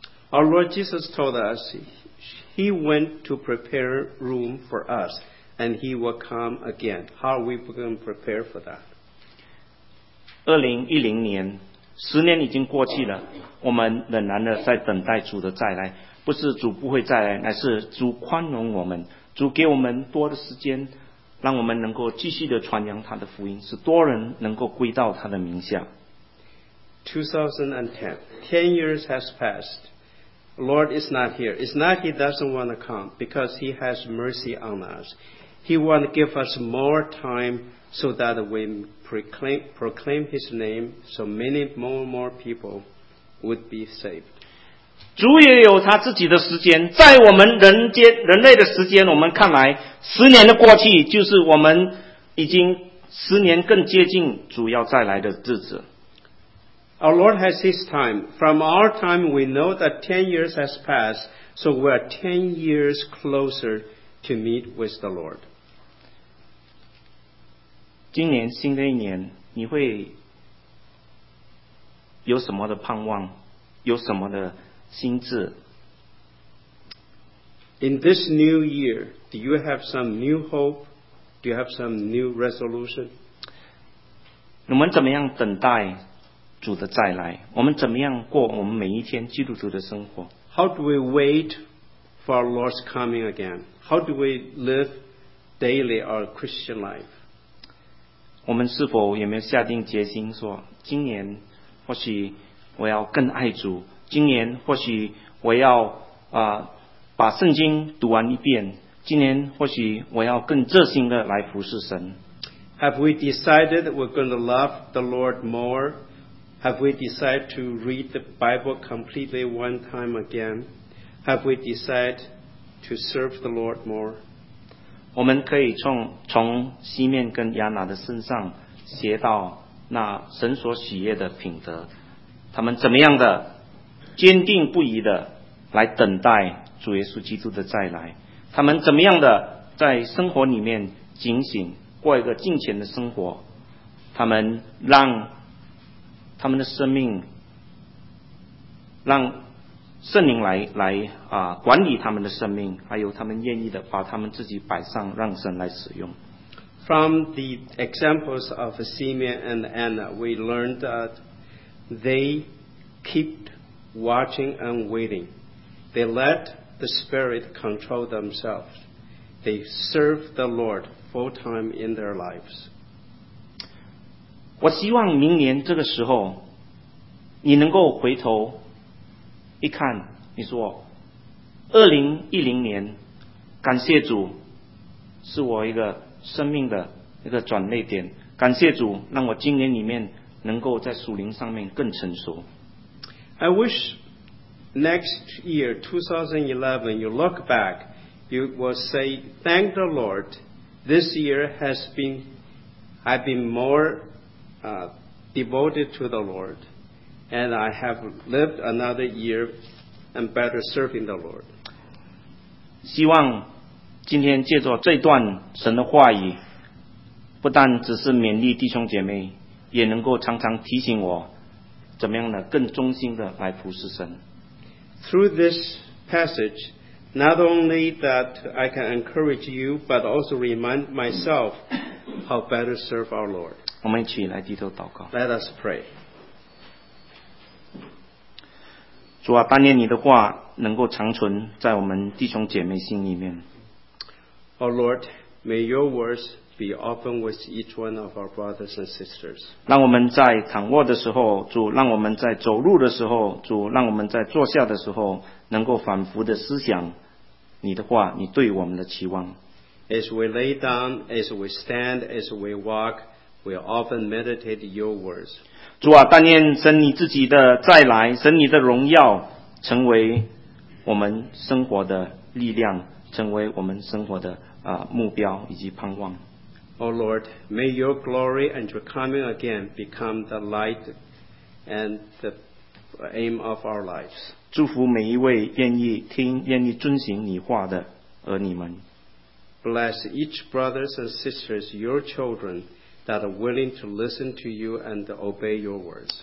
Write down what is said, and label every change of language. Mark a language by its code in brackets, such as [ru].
[en] Our Lord Jesus told us he went to prepare room for us and he will come again. How are we going to prepare for that? [zh] 2010年，十年已经过去了，我们仍然的在等待主的再来。不是主不会再来，乃是主宽容我们，主给我们多的时间，让我们能够继续的传扬他的福音，使多人能够归到他的名下。 [en] 2010 years has passed. Lord is not here. It's not he doesn't want to come because he has mercy on us. He want to give us more time. So that we proclaim his name, so many more people would be saved. [zh] 主也有他自己的时间，在我们人类的时间，我们看来十年的过去，就是我们已经十年更接近主要再来的日子。 [en] Our Lord has his time. From our time, we know that 10 years has passed, so we are 10 years closer to meet with the Lord. [zh] 今年新的一年，你会有什么的盼望，有什么的心志？ [en] In this new year, do you have some new hope? Do you have some new resolution? [zh] 我们怎么样等待主的再来？我们怎么样过我们每一天基督徒的生活？ [en] How do we wait for our Lord's coming again? How do we live daily our Christian life? [zh] 我们是否有没有下定决心说，今年或许我要更爱主，今年或许我要把圣经读完一遍，今年或许我要更热心的来服侍神。 [en] Have we decided we're going to love the Lord more? Have we decided to read the Bible completely one time again? Have we decided to serve the Lord more? [zh] 我们可以从西面跟亚拿的身上学到那神所喜悦的品德，他们怎么样的坚定不移的来等待主耶稣基督的再来，他们怎么样的在生活里面警醒，过一个敬虔的生活，他们让他们的生命让圣灵来管理他们的生命，还有他们愿意的把他们自己摆上让神来使用。 [en] From the examples of Simeon and Anna, we learned that they kept watching and waiting. They let the Spirit control themselves. They served the Lord full time in their lives. [zh] 我希望明年这个时候，你能够回头一看，你说2010年，感谢主，是我一个生命的一个转捩点，感谢主让我今年里面能够在属灵上面更成熟。 [en] I wish next year 2011 you look back, you will say thank the Lord, this year has been I've been more devoted to the Lord and I have lived another year and better serving the Lord. [zh] 希望今天借着这段神的话语，不但只是勉励弟兄姐妹，也能够常常提醒我怎么样的更忠心的来服侍神。 [en] Through this passage, not only that I can encourage you, but also remind myself how better serve our Lord. [zh] 我们一起来低头祷告。 [en] Let us pray. [zh] 主啊，但愿你的话能够长存在我们弟兄姐妹心里面。 [en] O Lord, may your words be often with each one of our brothers and sisters. [zh] 让我们在躺卧的时候，主，让我们在走路的时候，主，让我们在坐下的时候，能够反复的思想你的话，你对我们的期望。 [en] As we lay down, as we stand, as we walk, we often meditate your words. [zh] 主啊，但愿神你自己的再来，神你的荣耀，成为我们生活的力量，成为我们生活的目标以及盼望。 [en] O Lord, may your glory and your coming again become the light and the aim of our lives. [zh] 祝福每一位愿意听愿意遵行你话的儿女们。 Bless each brothers and sisters, your children that are willing to listen to you and obey your words.